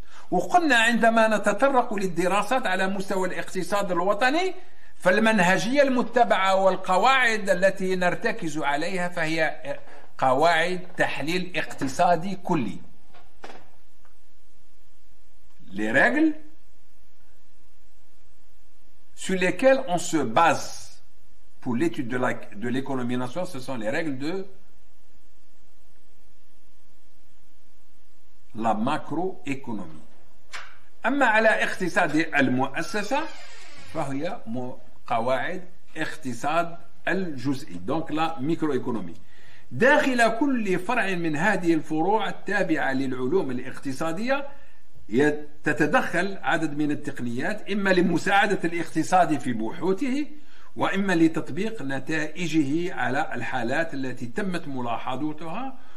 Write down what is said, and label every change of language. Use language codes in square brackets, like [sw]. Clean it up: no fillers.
[ar] وقلنا عندما نتطرق للدراسات على مستوى الاقتصاد الوطني فالمنهجية المتبعة والقواعد التي نرتكز عليها فهي قواعد تحليل اقتصادي كلي، [fr] les règles sur lesquelles on se base pour l'étude de l'économie nationale, ce sont les règles de la macroéconomie. [ar] أما على اقتصاد المؤسسة فهي قواعد اقتصاد الجزئي، دونك لا ميكروإيكونومي. داخل كل فرع من هذه الفروع التابعة للعلوم الاقتصادية تتدخل عدد من التقنيات، إما لمساعدة الاقتصاد في بحوثه، وإما لتطبيق نتائجه على الحالات التي تمت ملاحظتها.